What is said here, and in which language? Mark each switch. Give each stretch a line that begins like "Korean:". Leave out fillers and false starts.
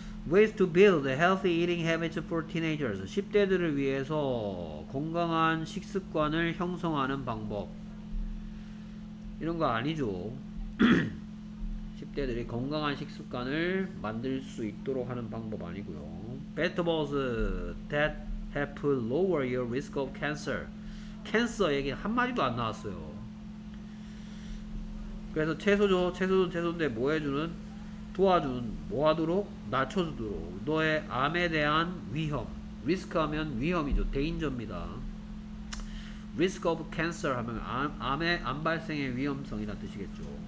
English: Ways to build healthy eating habits for teenagers.
Korean: 10대들을 위해서 건강한 식습관을 형성하는 방법. 이런 거 아니죠. 10대들이 건강한 식습관을 만들 수 있도록 하는 방법 아니고요.
English: Vegetables that help lower your risk of cancer.
Korean: 캔서 얘기는 한마디도 안 나왔어요. 그래서 채소죠. 채소는 채소인데 뭐 해주는? 도와준, 뭐하도록? 낮춰주도록. 너의 암에 대한 위험. 리스크 하면 위험이죠. 데인저입니다.
English: Risk of cancer
Korean: 하면 암의 암 발생의 위험성이란 뜻이겠죠.